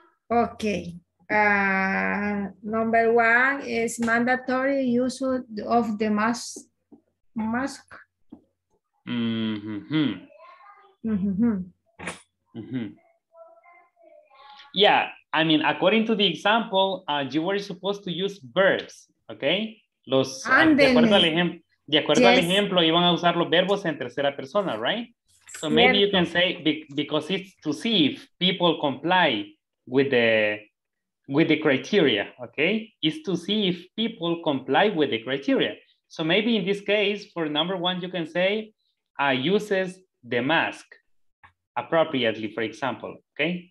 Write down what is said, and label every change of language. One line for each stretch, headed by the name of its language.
English: Okay. Number one is mandatory use of the mask. Mm-hmm. Mm-hmm. Mm-hmm. Yeah, I mean, according to the example, you were supposed to use verbs, okay?
Spanish: Los, de acuerdo yes. al ejemplo, iban a usar los verbos en tercera persona, right?
English: So maybe Cierto. You can say, because it's to see if people comply with the criteria, okay? It's to see if people comply with the criteria. So maybe in this case, for number one, you can say, uses the mask appropriately, for example, okay?